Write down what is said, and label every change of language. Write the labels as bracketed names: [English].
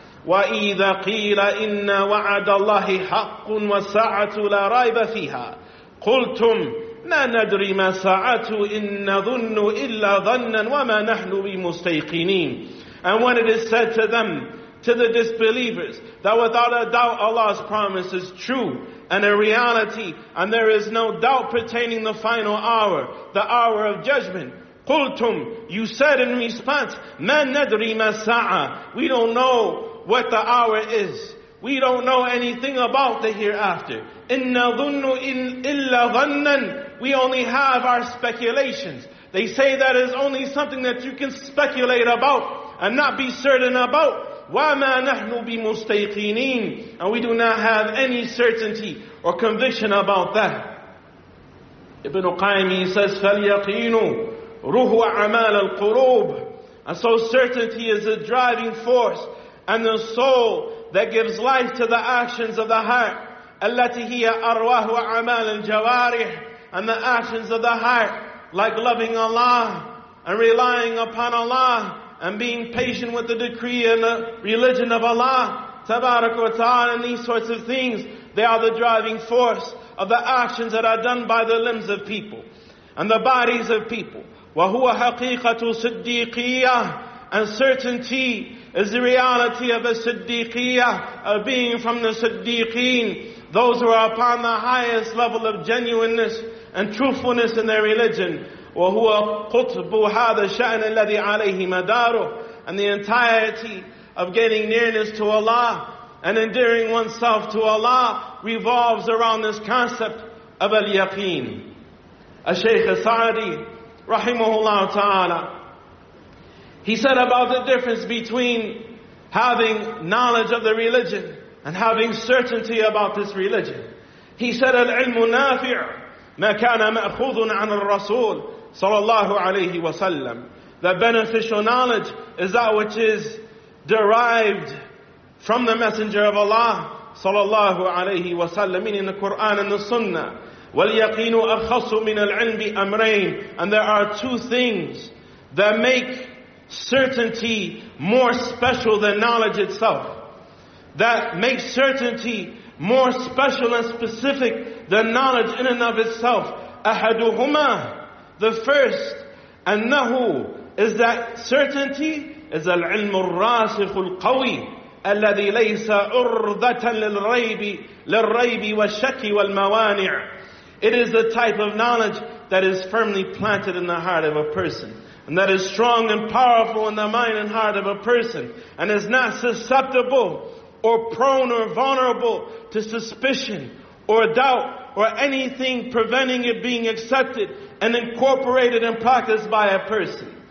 [Arabic] وَإِذَا قِيلَ إِنَّ وَعَدَ اللَّهِ حَقٌّ وَالسَّاعَةُ لَا رَيْبَ فِيهَا قُلْتُمْ مَا نَدْرِي مَا السَّاعَةُ إِنَّ ظُنُّ إِلَّا ظَنًّا وَمَا نَحْنُ بِمُسْتَيْقِنِينَ. [English] And when it is said to them, to the disbelievers, that without a doubt Allah's promise is true and a reality, and there is no doubt pertaining the final hour, the hour of judgment. [Arabic] قُلْتُمْ, [English] you said in response, [Arabic] مَا نَدْرِي مَا السَّاعَةُ. [English] We don't know what the hour is. We don't know anything about the hereafter. [Arabic] إِنَّ ظُنُّ إِلَّا ظَنًّا. [English] We only have our speculations. They say that is only something that you can speculate about and not be certain about. [Arabic] وَمَا نَحْنُ بِمُسْتَيْقِنِينَ. [English] And we do not have any certainty or conviction about that. [Arabic] Ibn Qayyim, [English] he says, [Arabic] فَالْيَقِينُ رُوحُ أَعْمَالَ الْقُلُوبِ. [English] And so certainty is a driving force and the soul that gives life to the actions of the heart. [Arabic] التي هي أرواح أعمال الجوارح. [English] And the actions of the heart, like loving Allah and relying upon Allah and being patient with the decree and the religion of Allah, تبارك وتعالى, and these sorts of things, they are the driving force of the actions that are done by the limbs of people and the bodies of people. [Arabic] وَهُوَ حَقِيقَةُ صِدِّيقِيَّةً. [English] And certainty is the reality of a siddiqiyah, of being from the siddiqeen, those who are upon the highest level of genuineness and truthfulness in their religion. [Arabic] وَهُوَ قُطْبُ هَذَا الشَّأْنِ الَّذِي عَلَيْهِ مَدَارُهُ. [English] And the entirety of getting nearness to Allah and endearing oneself to Allah revolves around this concept of al-yaqeen. Al-Shaykh al-Sa'adi, rahimahullah ta'ala, he said about the difference between having knowledge of the religion and having certainty about this religion. He said, [Arabic] العلم نافع ما كان مأخوذ عن الرسول صلى الله عليه وسلم. [English] The beneficial knowledge is that which is derived from the Messenger of Allah صلى الله عليه وسلم, meaning the Quran and the Sunnah. [Arabic] واليقين أخص من العلم أمرين. [English] And there are two things that make certainty more special than knowledge itself, that makes certainty more special and specific than knowledge in and of itself. [Arabic] أَحَدُهُمَا. [English] The first, [Arabic] أَنَّهُ, [English] is that certainty is [Arabic] العلم الراسخ القوي الذي ليس أرضة للريب والشك والموانع. [English] It is the type of knowledge that is firmly planted in the heart of a person, and that is strong and powerful in the mind and heart of a person, and is not susceptible or prone or vulnerable to suspicion or doubt or anything preventing it being accepted and incorporated and practiced by a person.